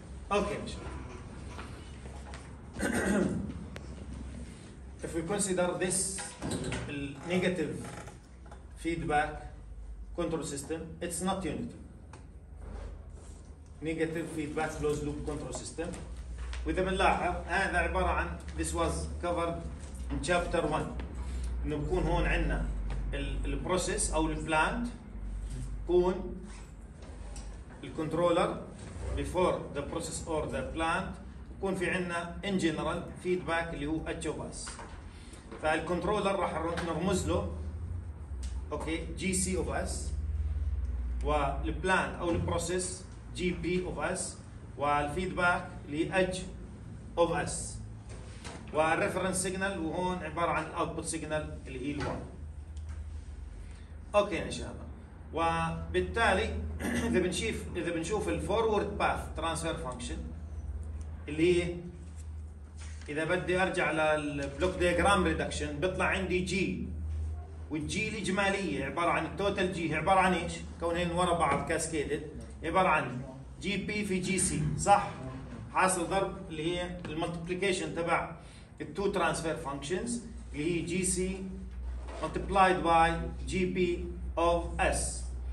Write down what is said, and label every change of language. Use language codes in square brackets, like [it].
[en] Okay, if we consider this negative feedback control system, it's not unitary. Negative feedback closed loop control system. [ar] وإذا بنلاحظ هذا عبارة عن [en] this was covered in chapter 1. [ar] إنه بكون هون عندنا ال process أو ال plant بكون ال controller [en] before the process or the plant [ar] بكون في عندنا [en] in general feedback [ar] اللي هو HOS. فال controller راح نرمز له okay GC of S وال plant أو ال process GP of S والفيدباك لـ H of S والreference signal وهون عبارة عن output signal اللي هي الـ 1. أوكي إن شاء الله. وبالتالي إذا بنشوف الـ forward path transfer function اللي هي إذا بدي أرجع للـ block diagram reduction بيطلع عندي G والG الإجمالية عبارة عن total G عبارة عن إيش؟ كونين وراء بعض cascaded عبارة عن جي بي في جي سي صح حاصل ضرب اللي هي المالتيبليكيشن تبع التو ترانسفير فانكشنز اللي هي [en] G C multiplied by G P of S.